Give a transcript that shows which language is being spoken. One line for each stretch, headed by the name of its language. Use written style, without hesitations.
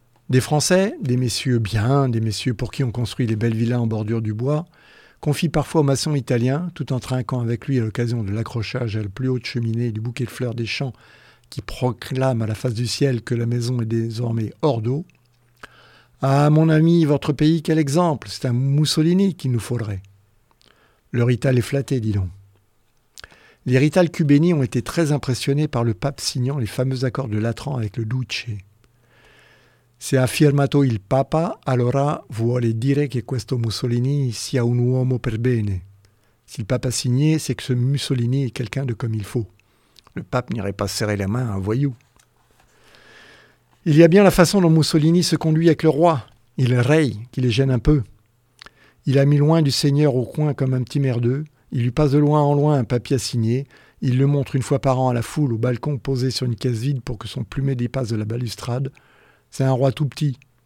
French: Des Français, des messieurs bien, des messieurs pour qui on construit les belles villas en bordure du bois, confient parfois au maçon italien, tout en trinquant avec lui à l'occasion de l'accrochage à la plus haute cheminée du bouquet de fleurs des champs qui proclame à la face du ciel que la maison est désormais hors d'eau. « Ah, mon ami, votre pays, quel exemple! C'est un Mussolini qu'il nous faudrait !» Le rital est flatté, dis donc. Les ritals cubaini ont été très impressionnés par le pape signant les fameux accords de Latran avec le Duce.
Italian: Se ha firmato il papa, allora vuole dire che questo Mussolini sia un uomo per bene.
French: Si le pape a signé, c'est que ce Mussolini est quelqu'un de comme il faut. Le pape n'irait pas serrer la main à un voyou. Il y a bien la façon dont Mussolini se conduit avec le roi, il rey, qui les gêne un peu. Il a mis loin du seigneur au coin comme un petit merdeux, il lui passe de loin en loin un papier à signer, il le montre une fois par an à la foule au balcon posé sur une caisse vide pour que son plumet dépasse de la balustrade. C'est un roi tout petit.